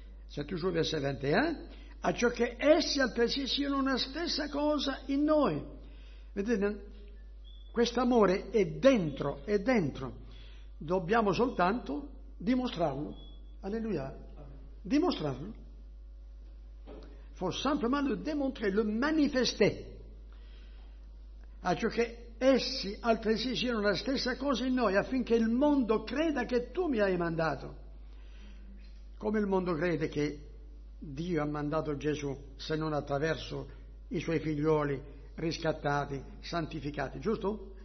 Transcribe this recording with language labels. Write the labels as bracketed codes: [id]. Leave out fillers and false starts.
[it] C'è [fr] toujours verset [it] 21, a ciò che essi altresì siano una stessa cosa in noi. Vedete, quest'amore è dentro. Dobbiamo soltanto dimostrarlo. Alleluia. Dimostrarlo. [fr] Faut simplement le démontrer, le manifester. [it] A ciò che essi altresì siano una stessa cosa in noi, affinché il mondo creda che tu mi hai mandato. Come il mondo crede che Dio ha mandato Gesù se non attraverso i suoi figlioli riscattati, santificati, giusto?